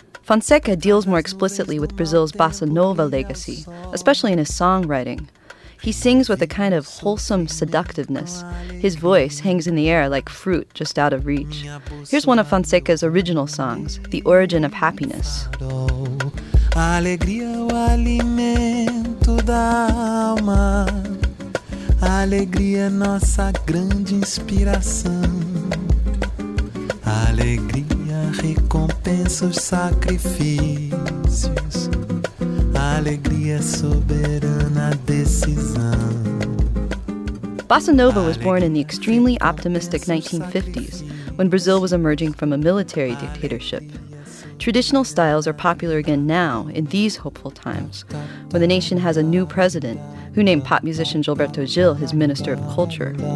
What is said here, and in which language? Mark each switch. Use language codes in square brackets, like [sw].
[en] Fonseca deals more explicitly with Brazil's bossa nova legacy, especially in his songwriting. He sings with a kind of wholesome seductiveness. His voice hangs in the air like fruit just out of reach. Here's one of Fonseca's original songs, The Origin of Happiness. [pt] Alegria é o alimento da alma. Alegria é nossa grande inspiração. Alegria recompensa os sacrifícios. Alegria é soberana decisão. [en] Bossa Nova was born in the extremely optimistic 1950s, when Brazil was emerging from a military dictatorship. Traditional styles are popular again now, in these hopeful times, when the nation has a new president, who named pop musician Gilberto Gil his Minister of Culture.